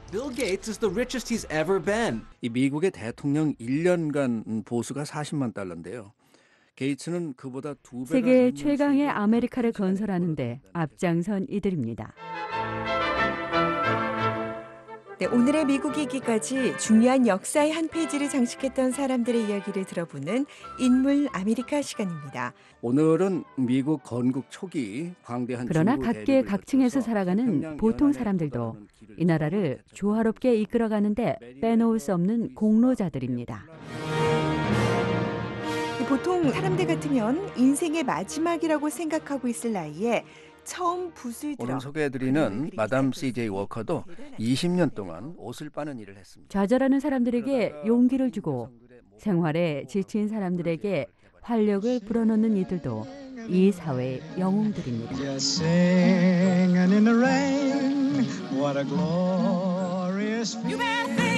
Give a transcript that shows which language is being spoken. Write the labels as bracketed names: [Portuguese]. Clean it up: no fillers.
[English] Bill Gates is the richest he's ever been. [Korean] 이 미국의 대통령 1년간 보수가 40만 달러인데요. 게이츠는 그보다 두 배가 세계 최강의 아메리카를 건설하는데 앞장선 이들입니다. 네, 오늘의 미국이기까지 중요한 역사의 한 페이지를 장식했던 사람들의 이야기를 들어보는 인물 아메리카 시간입니다. 오늘은 미국 건국 초기 광대한 그러나 각계 각층에서 살아가는 보통 사람들도 이 나라를 조화롭게 이끌어가는데 빼놓을 수 없는 공로자들입니다. 보통 사람들 같으면 인생의 마지막이라고 생각하고 있을 나이에 처음 붓을 들어 오늘 소개해드리는 마담 CJ 워커도 20년 동안 옷을 빠는 일을 했습니다. 좌절하는 사람들에게 용기를 주고 생활에 지친 사람들에게 활력을 불어넣는 이들도 이 사회의 영웅들입니다. [English] Singing in the rain, what a glorious feeling.